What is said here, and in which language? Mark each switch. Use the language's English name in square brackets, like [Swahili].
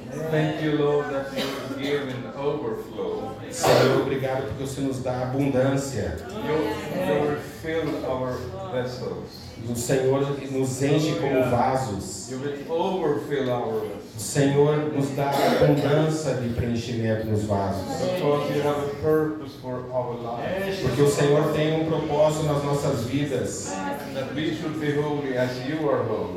[English] Thank you, Lord, that you've given overflow. [Portuguese] Senhor, obrigado porque o Senhor nos dá abundância. [English] You fill our vessels. [Portuguese] O Senhor nos enche como vasos. [English] You will overfill our vessels. [Portuguese] O Senhor nos dá abundância de preenchimento nos vasos. [English] Because you have a purpose for our lives. [Portuguese] Porque o Senhor tem um propósito nas nossas vidas. [English] That we should be holy as you are holy.